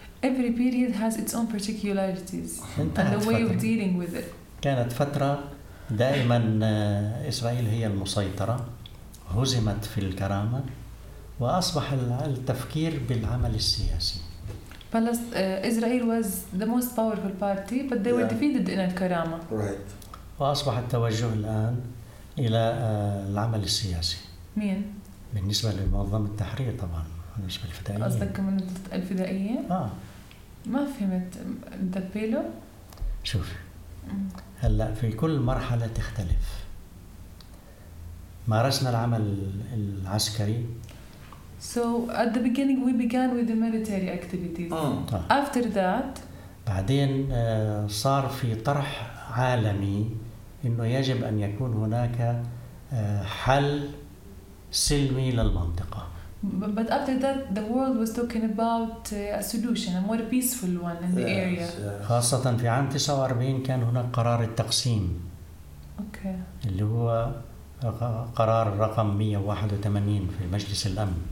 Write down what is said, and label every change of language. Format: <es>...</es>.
<en>Every period has its own particularities and the way of dealing with it.</en> <ar>كانت فترة دائما إسرائيل هي المسيطرة هزمت في الكرامة وأصبح التفكير بالعمل السياسي.</ar> <en>Israel was the most powerful party, but they were defeated in the Karama. Right.</en> <ar>وأصبح التوجه الآن إلى العمل السياسي. مين؟ بالنسبة لمنظمة التحرير طبعاً. بالنسبة للفدائيين. قصدك من الفدائيين؟ ما فهمت دبيلو؟ شوف. هلأ في كل مرحلة تختلف. مارسنا العمل العسكري.</ar> <en>So at the beginning we began with the military activities. After that.</en> <ar>بعدين صار في طرح عالمي إنه يجب أن يكون هناك حل. سلمي للمنطقة.</ar> <en>But after that, the world was talking about a solution, a more peaceful one in the area. Yes.</en> <ar>خاصة في عام 49 كان هناك قرار التقسيم.</ar> <en>Okay.</en> <ar>اللي هو قرار رقم 181 في مجلس الأمن.</ar>